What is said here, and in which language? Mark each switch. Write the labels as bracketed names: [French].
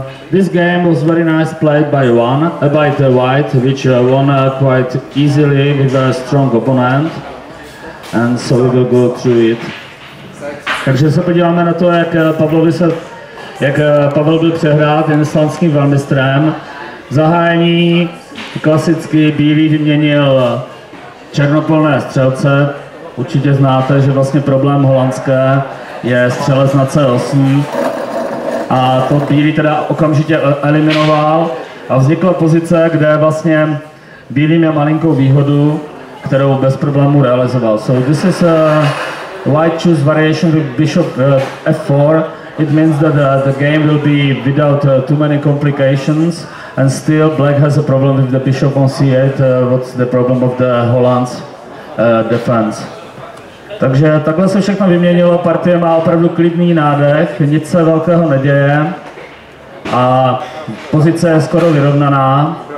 [English] This game was very nice played by one, by the white, which won quite easily with a strong opponent. And so we will go through it. [Czech] Takže se podíváme na to, jak Pavlovi se, jak Pavel byl přehrát islandským velmistrem. Zahájení klasicky bílý vyměnil černopolné střelce. Určitě znáte, že vlastně problém holandské je střelec na C8. A to bílý teda okamžitě eliminoval. A vznikla pozice, kde vlastně bílý měl malinkou výhodu, kterou bez problému realizoval. [English] So this is a white choose variation with bishop f4. It means that the game will be without too many complications, and still black has a problem with the bishop on c8. What's the problem of the Holland's defense? [Czech] Takže takhle se všechno vyměnilo, partie má opravdu klidný nádech, nic se velkého neděje a pozice je skoro vyrovnaná.